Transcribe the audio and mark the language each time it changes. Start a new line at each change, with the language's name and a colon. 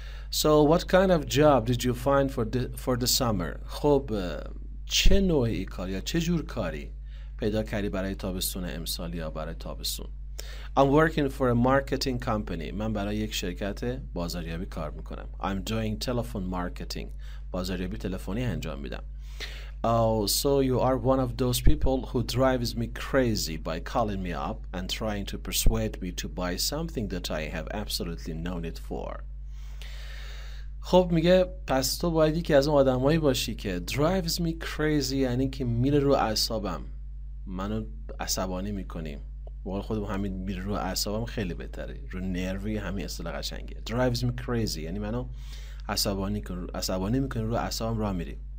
English: So what kind of job did you find for the summer؟
Persian: خب چه نوعی کار یا چه جور کاری پیدا کردی برای تابستون امسال یا برای تابستون؟
English: I'm working for a marketing company.
Persian: من برای یک شرکت بازاریابی کار میکنم.
English: I'm doing telephone marketing.
Persian: بازاریابی تلفنی انجام میدم.
English: So you are one of those people who drives me crazy by calling me up and trying to persuade me to buy something that I have absolutely no need for.
Persian: خب میگه پس تو باید یکی از اون آدمایی باشی که
English: drives me crazy،
Persian: یعنی که میره رو اعصابم، منو عصبانی میکنیم. واقعا خودم همین میره رو اعصابم خیلی بهتره، رو نروی همین اصطلاح قشنگه.
English: drives me crazy
Persian: یعنی منو عصبانی میکنی، رو اعصابم راه میری.